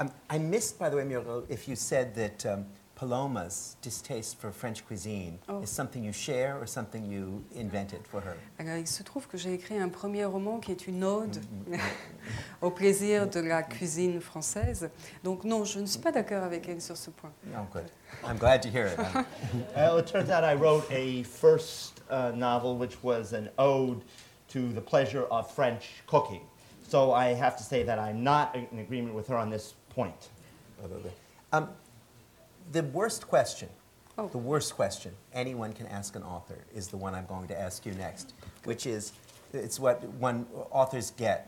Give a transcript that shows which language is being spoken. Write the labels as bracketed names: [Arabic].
[English] I missed, by the way, Muriel, if you said that Paloma's distaste for French cuisine is something you share or something you invented for her. [French] Alors, il se trouve que j'ai écrit un premier roman qui est une ode au plaisir de la cuisine française. Donc non, je ne suis pas d'accord avec elle sur ce point. [English] Oh, good. I'm glad to hear it. It turns out I wrote a first novel which was an ode to the pleasure of French cooking. So I have to say that I'm not in agreement with her on this point. The worst question anyone can ask an author is the one I'm going to ask you next, which is, it's what one authors get.